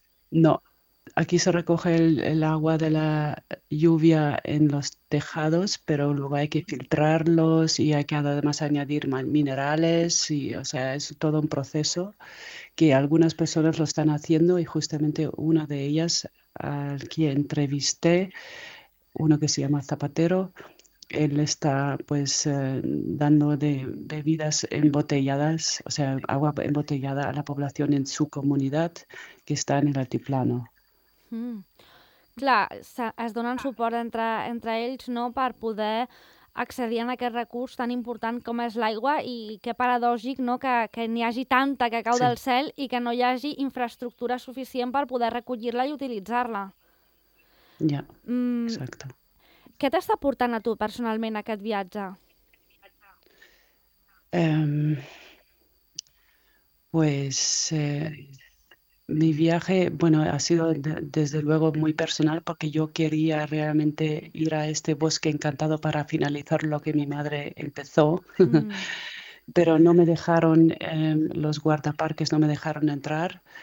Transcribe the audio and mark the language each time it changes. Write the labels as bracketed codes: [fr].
[es] No, aquí se recoge el agua de la lluvia en los tejados, pero luego hay que filtrarlos y hay que además añadir minerales y, o sea, es todo un proceso que algunas personas lo están haciendo y justamente una de ellas, al que entrevisté, uno que se llama Zapatero. Él está pues dando de bebidas embotelladas, o sea, agua embotellada a la población en su comunidad que está en el altiplano. [ca] Clar, es donen suport entre ells, no?, per poder accedir a aquest recurs tan important com és l'aigua i que paradògic, no?, que n'hi hagi tanta que cau del Sí. cel i que no hi hagi infraestructura suficient per poder recollir-la i utilitzar-la. Ja, yeah, exacte. Què t'està portant a tu personalment aquest viatge? [es] Pues mi viaje, bueno, ha sido desde luego muy personal porque yo quería realmente ir a este bosque encantado para finalizar lo que mi madre empezó, pero no me dejaron, los guardaparques no me dejaron entrar.